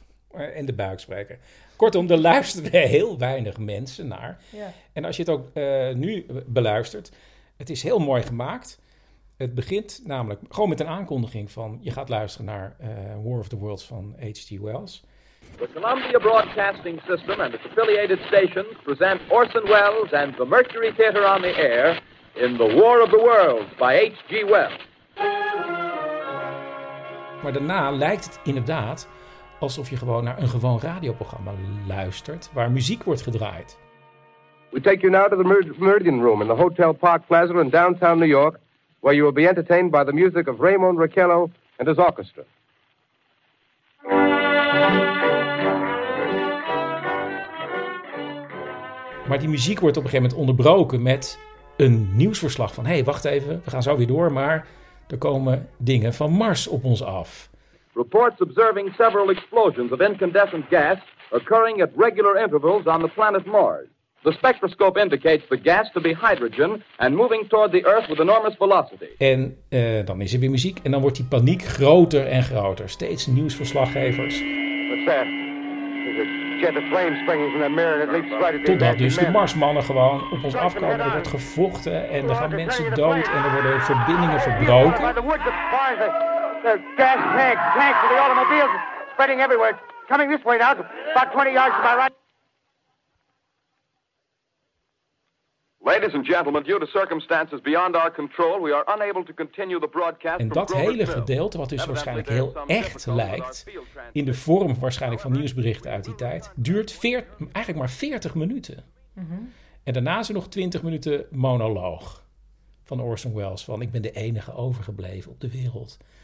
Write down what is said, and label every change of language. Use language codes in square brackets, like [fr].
[nl] En de buikspreker. Kortom, er luisterden heel weinig mensen naar. Ja. En als je het ook nu beluistert, het is heel mooi gemaakt. Het begint namelijk gewoon met een aankondiging van... je gaat luisteren naar War of the Worlds van H.G. Wells. [en] The Columbia Broadcasting System and its affiliated stations... present Orson Welles and the Mercury Theater on the air... in The War of the Worlds by H.G. Wells. [nl] Maar daarna lijkt het inderdaad alsof je gewoon naar een gewoon radioprogramma luistert... waar muziek wordt gedraaid. [en] We take you now to the Meridian Room in the Hotel Park Plaza in downtown New York... where you will be entertained by the music of Raymond Raquello and his orchestra. [nl] Maar die muziek wordt op een gegeven moment onderbroken met een nieuwsverslag van... hey, wacht even, we gaan zo weer door, maar er komen dingen van Mars op ons af. [en] Reports observing several explosions of incandescent gas occurring at regular intervals on the planet Mars. The spectroscope indicates the gas to be hydrogen and moving toward the Earth with enormous velocity. [nl] En dan is er weer muziek en dan wordt die paniek groter en groter. Steeds nieuwsverslaggevers. [en] What's that? There's a jet of flame springing from the mirror and it leaps right at the [nl] Totdat dus de Marsmannen gewoon op ons afkomen. Er wordt gevochten en er gaan mensen dood en er worden verbindingen verbroken. [en] The gas tanks for the automobiles spreading everywhere. Coming this way now, about 20 yards to my right. Ladies and gentlemen, due to circumstances beyond our control, we are unable to continue the broadcast. [nl] En dat hele gedeelte, wat dus waarschijnlijk heel echt lijkt, in de vorm waarschijnlijk van nieuwsberichten uit die tijd, duurt eigenlijk maar 40 minuten. Mm-hmm. En daarna is er nog 20 minuten monoloog van Orson Welles, van ik ben de enige overgebleven op de wereld.